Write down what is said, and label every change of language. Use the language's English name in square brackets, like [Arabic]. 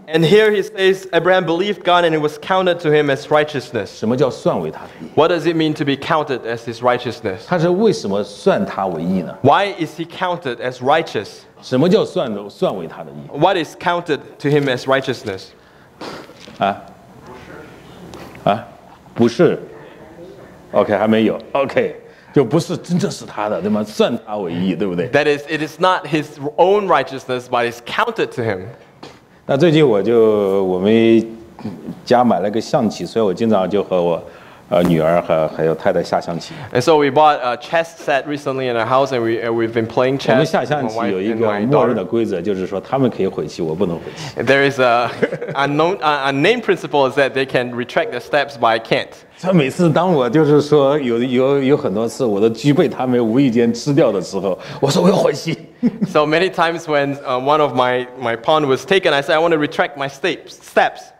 [English] And here he says, Abraham believed God, and it was counted to him as righteousness. [Chinese] 什么叫算为他的义？ [English] What does it mean to be counted as his righteousness? [Chinese] 他是为什么算他为义呢？ [English] Why is he counted as righteous? [Chinese] 什么叫算为他的义？ [English] What is counted to him as righteousness? [Chinese] 啊？啊？不是。OK, 还没有。OK。就不是真正是他的，对吗？算他为义，对不对 [English] ？That is, it is not his own righteousness, but it's counted to him. [Chinese] 那最近我们家买了个象棋，所以我经常就和我女儿和还有太太下象棋。 [English] And so we bought a chess set recently in our house, and we've been playing chess. [Chinese] 我们下象棋有一个默认的规则，就是说他们可以回棋，我不能回棋。 [English] There is a unknown principle is that they can retract the steps, but I can't. [Chinese] 所以每次当我就是说有很多次我的车被他们无意间吃掉的时候，我说我要回棋。 [English] So many times when one of my pawn was taken, I said I want to retract my steps.